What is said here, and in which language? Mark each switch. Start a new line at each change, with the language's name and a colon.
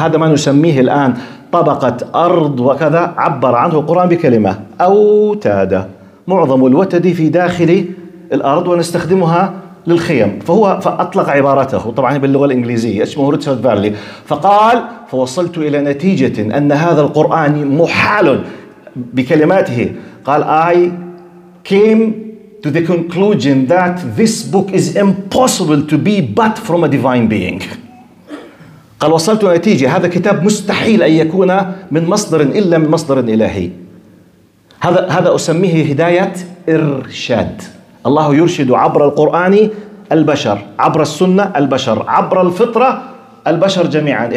Arabic: هذا ما نسميه الآن طبقة أرض وكذا عبر عنه القرآن بكلمة أوتادة، معظم الوتد في داخل الأرض ونستخدمها للخيم. فهو فأطلق عبارته طبعا باللغة الإنجليزية اسمه ريتشارد فارلي، فقال فوصلت إلى نتيجة أن هذا القرآن محال بكلماته.
English: قال I came to the conclusion that this book is impossible to be but from a divine being.
Arabic: قال وصلت نتيجة هذا كتاب مستحيل أن يكون من مصدر إلا من مصدر إلهي. هذا أسميه هداية إرشاد. الله يرشد عبر القرآن البشر، عبر السنة البشر، عبر الفطرة البشر جميعا.